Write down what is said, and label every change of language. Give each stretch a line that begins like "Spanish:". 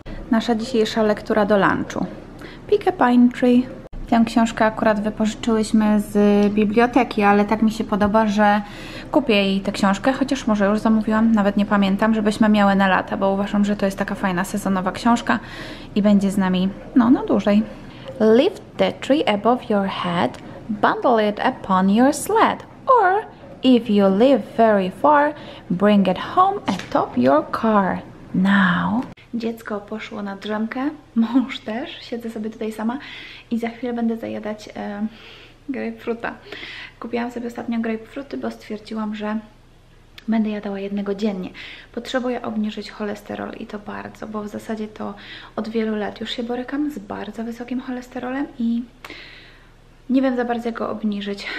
Polish: Nasza dzisiejsza lektura do lunchu. Pick a Pine Tree. Tę książkę akurat wypożyczyłyśmy z biblioteki, ale tak mi się podoba, że kupię jej tę książkę, chociaż może już zamówiłam, nawet nie pamiętam, żebyśmy miały na lata, bo uważam, że to jest taka fajna sezonowa książka i będzie z nami no na dłużej.
English: Lift the tree above your head, bundle it upon your sled, or if you live very far, bring it home atop your car. Now.
Polish: Dziecko poszło na drzemkę, mąż też, siedzę sobie tutaj sama i za chwilę będę zajadać grapefruta. Kupiłam sobie ostatnio grapefruty, bo stwierdziłam, że będę jadała jednego dziennie. Potrzebuję obniżyć cholesterol i to bardzo, bo w zasadzie to od wielu lat już się borykam z bardzo wysokim cholesterolem i nie wiem za bardzo, jak go obniżyć.